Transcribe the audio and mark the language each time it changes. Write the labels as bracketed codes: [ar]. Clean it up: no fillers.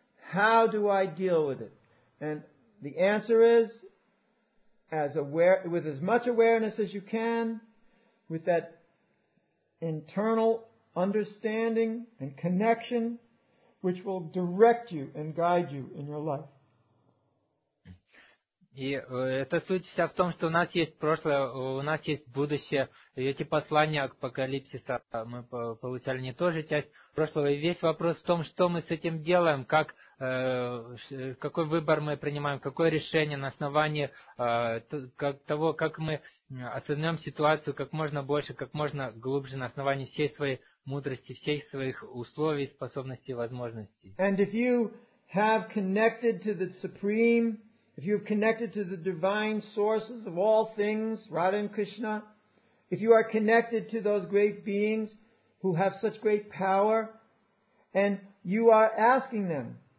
[en] How do I deal with it? And the answer is, with as much awareness as you can, with that internal understanding and connection, which will direct you and guide you in your life. [ru] И эта суть вся в том, что у нас есть прошлое, у нас есть будущее. И эти послания апокалипсиса мы получали не тоже часть прошлого. И весь вопрос в том, что мы с этим делаем, как, какой выбор мы принимаем, какое решение на основании того, как мы оценим ситуацию как можно больше, как можно глубже на основании всей своей мудрости, всех своих условий, способностей, возможностей. [en] And if you have connected to the Supreme, if you have connected to the divine sources of all things, Radha and Krishna, if you are connected to those great beings who have such great power, and you are asking them,